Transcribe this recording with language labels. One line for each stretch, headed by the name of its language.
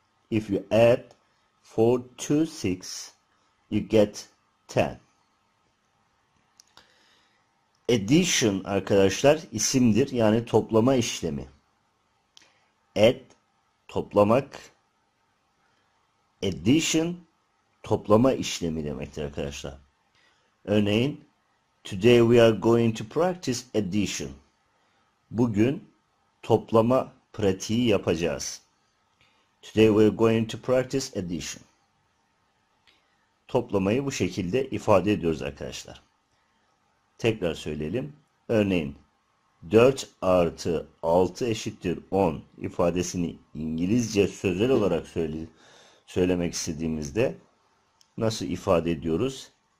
English: If you add 4 to 6, you get 10.
Turkish: Addition arkadaşlar isimdir. Yani toplama işlemi. Add toplamak. Addition toplama işlemi demektir arkadaşlar.
English: Örneğin, today we are going to practice addition.
Turkish: Bugün toplama pratiği yapacağız.
English: Today we are going to practice addition.
Turkish: Toplamayı bu şekilde ifade ediyoruz arkadaşlar. Tekrar söyleyelim. Örneğin, 4 artı 6 eşittir 10 ifadesini İngilizce sözel olarak söylemek istediğimizde nasıl ifade ediyoruz?